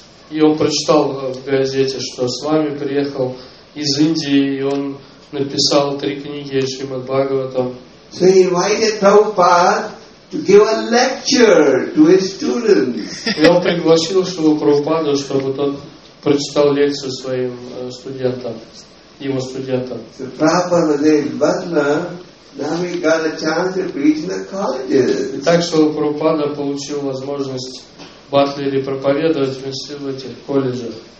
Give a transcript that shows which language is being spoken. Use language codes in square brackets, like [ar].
[ru] И он прочитал в газете, что Свами приехал из Индии, и он написал три книги о Шримад Бхагаватам. [en] So he invited Prabhupada to give a lecture to his students. [ru] И он пригласил Шрилу Прабхупаду, чтобы тот прочитал лекцию своим студентам, его студентам. [en] So Prabhupada was in Butler. Now he got a chance to preach in the colleges. [ru] И так Шрилу Прабхупада получил возможность Батлере проповедовать в этих колледжах.